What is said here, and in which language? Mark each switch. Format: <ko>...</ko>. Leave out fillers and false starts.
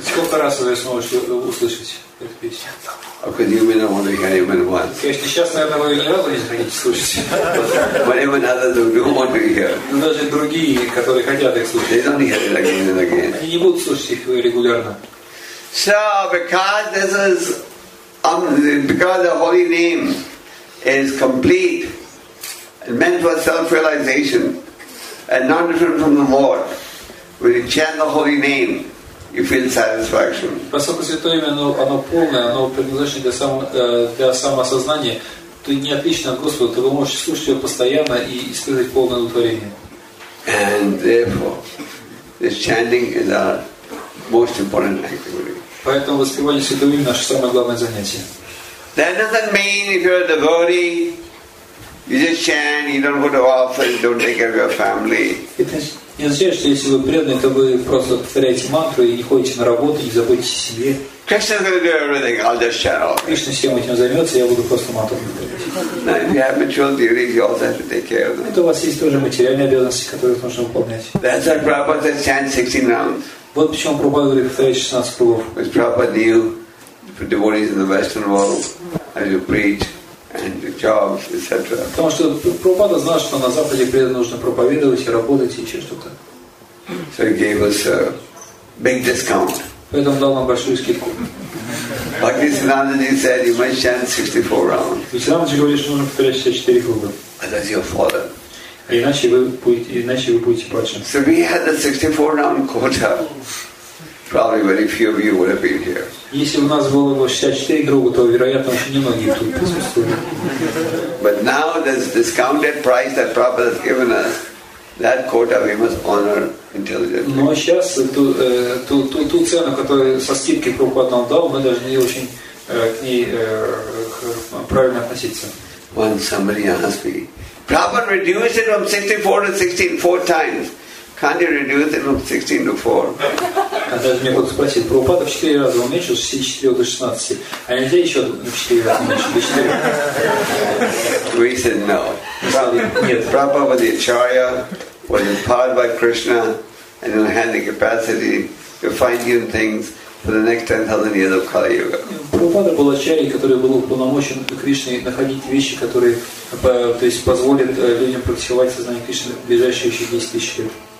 <ru>Сколько раз вы сможете услышать эту песню?</ru> <en>Okay, you may not want to hear it even once.</en> <ru>Конечно, сейчас, наверное, вы не рады слушать.</ru> <en>But even others who don't want to hear.</en> <ru>Но даже другие, которые хотят их слушать.</ru> <en>They don't hear it again and again.</en> <ru>Они не будут слушать их регулярно.</ru> <en>So, because this is because the holy name is complete and meant for self-realization and not different from the Lord, when you chant the holy name, you feel satisfaction.</en> <ru>Поскольку святое имя, оно полное, оно предназначено для самоосознания, то не отлично от Господа, то вы можете слушать его постоянно и испытывать полное удовлетворение.</ru> <en>And therefore, this chanting is our most important activity.</en> <ru>Поэтому воспевание святого имени наше самое главное занятие.</ru> <en>That doesn't mean if you're a devotee, you just chant, you don't go to office, don't take care of your family.</en> <ru>Это не означает, что если вы преданный, то вы просто повторяете мантру и не ходите на работу, не заботитесь о себе.</ru> <en>Krishna's gonna do everything. I'll just chant.</en> <ru>Кришна всем этим займется, я буду просто мантру повторять.</ru> <en>If you have material duties, you also have to take care of them.</en> <ru>Это у вас есть тоже материальные обязанности, которые нужно выполнять.</ru> <en>That's why Prabhupada says chant 16 rounds.</en> <ru>Вот почему Прабхупада говорит повторять 16 кругов.</ru> <en>Because Prabhupada knew for devotees in the Western world, as you preach and your jobs, etc.</en> <ru>Потому что Прабхупада знает, что на Западе преданным нужно проповедовать и работать и еще что-то.</ru> <en>So he gave us a big discount.</en> <ru>Поэтому дал нам большую скидку.</ru> <en>Like this Nandini said, you must chant 64 rounds.</en> <ru>То есть Нандини говорит, что нужно повторять 64 круга.</ru> <en>Otherwise you'll fall down.</en> <ru>Иначе вы будете падшими.</ru> <en>So we had the 64 round quota. Probably very few of you would have been here.</en> <ru>Если у нас было 64 круга, то вероятно, очень немногие тут присутствовали.</ru> <en>But now there's discounted price that Prabhupada has given us. That quota we must honor intelligently.</en> <ru>Но сейчас ту цену, которую со скидкой Прабхупада нам дал, мы должны очень к ней правильно относиться.</ru> <en>When somebody asked me, Prabhupada reduced it from 64 to 16 four times. Can't you reduce it from 16 to 4?</en> <ru>Когда же мне будут спросить, Прабхупада в 4 раза уменьшил с 64 до 16, а нельзя еще в 4 раза уменьшить до 4?</ru> <en>We said no. Prabhupada was the acharya, was empowered by Krishna, and he had the capacity to fine-tune things for the next 10,000 years of Kali Yuga.</en> <ru>Прабхупада был ачарьей, который был уполномочен Кришной находить вещи, которые то есть позволят людям практиковать сознание Кришны в ближайшие еще 10 тысяч лет.</ru>